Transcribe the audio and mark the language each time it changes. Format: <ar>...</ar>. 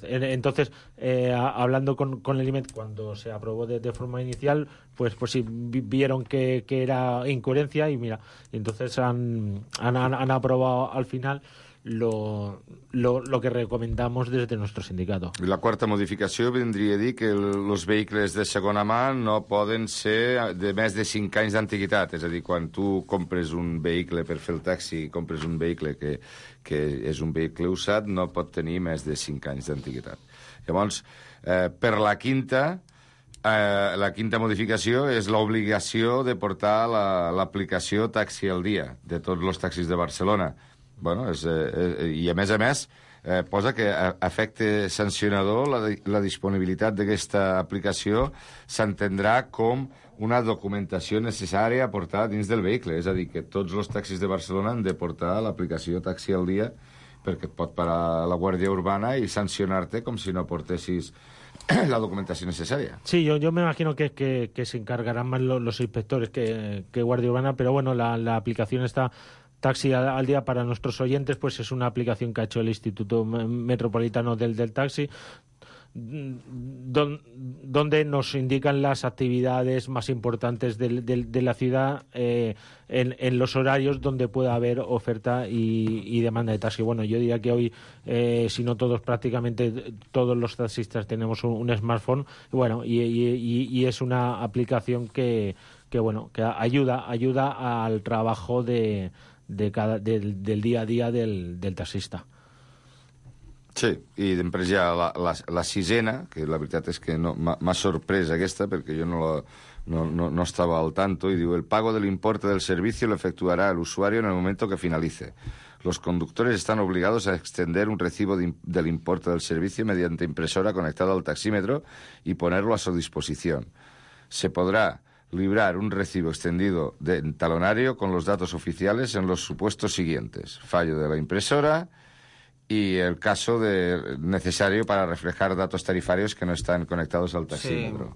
<es>Entonces, hablando con el IMED, cuando se aprobó de forma inicial, pues sí, vieron que era incoherencia y mira, entonces han aprobado al final lo que recomendamos desde nuestro sindicato.</es> <ca>La quarta modificació vindria a dir que els vehicles de segona mà no poden ser de més de 5 anys d'antiguitat, és a dir, quan tu compres un vehicle per fer el taxi, compres un vehicle que és un vehicle usat, no pot tenir més de 5 anys d'antiguitat. Llavors, per la quinta, la quinta modificació és l'obligació de portar l'aplicació Taxi al Dia de tots els taxis de Barcelona. Bueno, i a més, posa que efecte sancionador la disponibilitat d'aquesta aplicació s'entendrà com una documentació necessària a portar dins del vehicle. És a dir, que tots els taxis de Barcelona han de portar l'aplicació Taxi al Dia perquè et pot parar la Guàrdia Urbana i sancionar-te com si no portessis la documentació necessària. Sí, jo m'imagino que s'encargaran més els inspectors que Guàrdia Urbana, però bueno, la aplicació està...</ca> <es>Taxi al Día, para nuestros oyentes, pues es una aplicación que ha hecho el Instituto Metropolitano del Taxi, donde nos indican las actividades más importantes de la ciudad en los horarios donde pueda haber oferta y demanda de taxi. Bueno, yo diría que hoy, si no todos, prácticamente todos los taxistas tenemos un smartphone, bueno, y es una aplicación que bueno, que ayuda al trabajo del dia a dia del taxista.</es> <ca>Sí, i després hi ha la sisena, que la veritat és que no, m'ha sorprès aquesta, perquè jo no estava al tanto, i diu:</ca> <es>el pago del importe del servicio lo efectuará el usuario en el momento que finalice. Los conductores están obligados a extender un recibo del importe del servicio mediante impresora conectada al taxímetro y ponerlo a su disposición. Se podrá librar un recibo extendido de talonario con los datos oficiales en los supuestos siguientes: fallo de la impresora y el caso de necesario para reflejar datos tarifarios que no están conectados al taxímetro.</es>